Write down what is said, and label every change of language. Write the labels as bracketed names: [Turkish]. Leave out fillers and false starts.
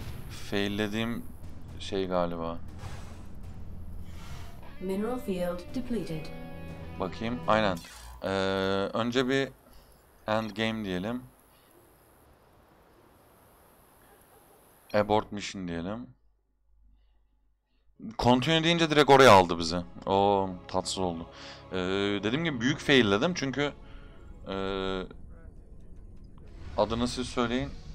[Turkish] Faillediğim şey galiba. [English] Mineral field depleted. [Turkish] Bakayım. Aynen. Önce bir [English] end game [Turkish] diyelim. [English] Abort mission [Turkish] diyelim. Continue deyince direkt oraya aldı bizi. Oo, tatsız oldu. Dediğim gibi büyük failledim çünkü adını siz söyleyin.